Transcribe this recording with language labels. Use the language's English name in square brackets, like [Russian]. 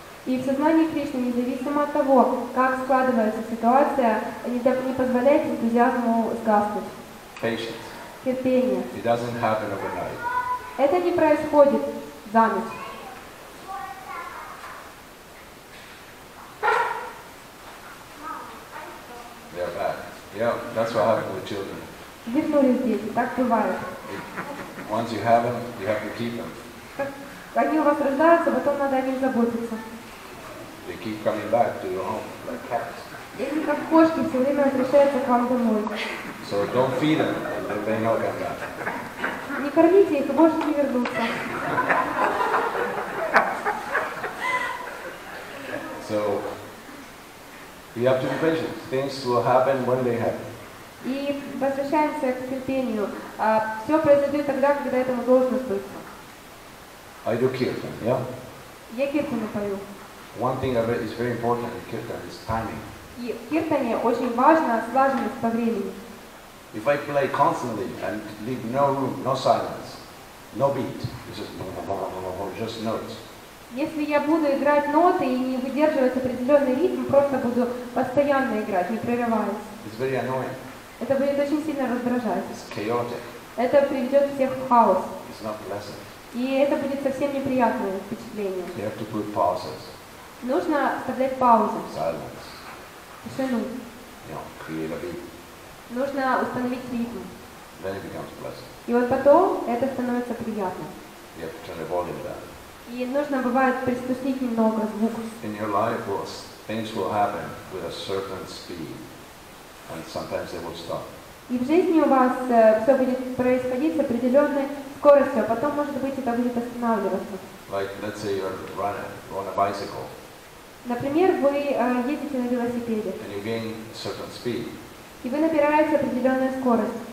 [Russian] И в сознании Кришны, независимо от того, как складывается ситуация, не позволяет энтузиазму сгаснуть. [English] Patience. [Russian] Терпение. [English] It doesn't happen overnight. [Russian] Это не происходит за ночь. [English] They are back. Yeah, that's what happened with children. [Russian] Вернулись дети, так бывает. [English] Once you have them, you have to keep them. [Russian] Они у вас рождаются, потом надо о них заботиться. [English] They keep coming back to your home like cats. [Russian] Если как кошки все время возвращаются к вам домой. [English] So don't feed them, they'll bang out like that. [Russian] Не кормите их, и больше не вернутся. [English] So you have to be patient. Things will happen when they happen. [Russian] И возвращаемся к терпению. Все произойдет тогда, когда этому должно сбыться. [English] I do kirtan, yeah? [Russian] Я киртану пою. [English] One thing that is very important in kirtan is timing. [Russian] И в киртане очень важна слаженность по времени. [English] If I play constantly and leave no room, no silence, no beat, it's just blah, blah, blah, blah, blah, just notes. [Russian] Если я буду играть ноты и не выдерживать определенный ритм, просто буду постоянно играть, не прерываясь. [English] It's very annoying. [Russian] Это будет очень сильно раздражать. [English] It's chaotic. [Russian] Это приведет всех в хаос. [English] It's not pleasant. [Russian] И это будет совсем неприятное впечатление. [English] You have to put pauses. [Russian] Нужно оставлять паузы. [English] Silence. [Russian] Тишину. [English] You know, create a beat. [Russian] Нужно установить ритм. [English] Then it becomes pleasant. [Russian] И вот потом это становится приятным. [English] You have to turn the volume down. [Russian] И нужно бывает приспустить немного звук. [English] In your life, things will happen with a certain speed, and sometimes they will stop. [Russian] И в жизни у вас все будет происходить с определенной скоростью, а потом, может быть, это будет останавливаться. [English] Like, let's say you're running on a bicycle. [Russian] Например, вы едете на велосипеде. [English] And you gain a certain speed. [Russian] И вы набираете определенную скорость.